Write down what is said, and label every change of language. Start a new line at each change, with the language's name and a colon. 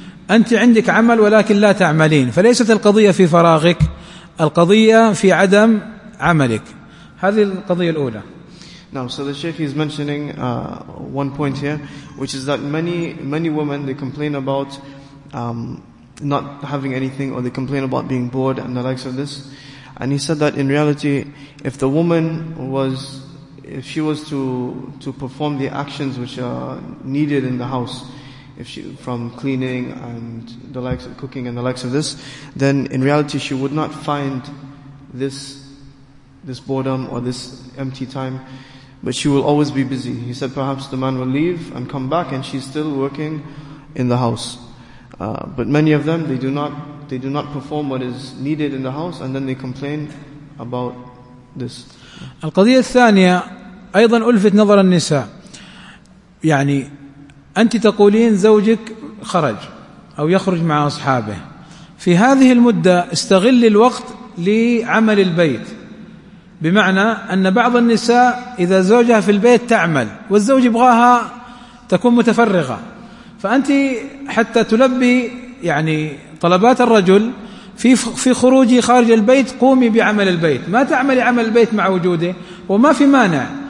Arabic: أنت عندك عمل ولكن لا تعملين, فليست القضية في فراغك, القضية في عدم عملك. هذه القضية الأولى.
English: Now, so the Sheikh is mentioning one point here, which is that many women, they complain about not having anything, or they complain about being bored and the likes of this. And he said that in reality, if the woman was, if she was to perform the actions which are needed in the house, if she, from cleaning and the likes of cooking and the likes of this, then in reality she would not find this boredom or this empty time, but she will always be busy. He said perhaps the man will leave and come back and she's still working in the house. But many of them, they do not perform what is needed in the house, and then they complain about this.
Arabic: القضية الثانية أيضا ألفت نظر النساء. يعني أنت تقولين زوجك خرج أو يخرج مع أصحابه, في هذه المدة استغل الوقت لعمل البيت. بمعنى أن بعض النساء إذا زوجها في البيت تعمل, والزوج يبغاها تكون متفرغة, فأنت حتى تلبي يعني طلبات الرجل في خروجي خارج البيت قومي بعمل البيت, ما تعملي عمل البيت مع وجوده, وما في مانع.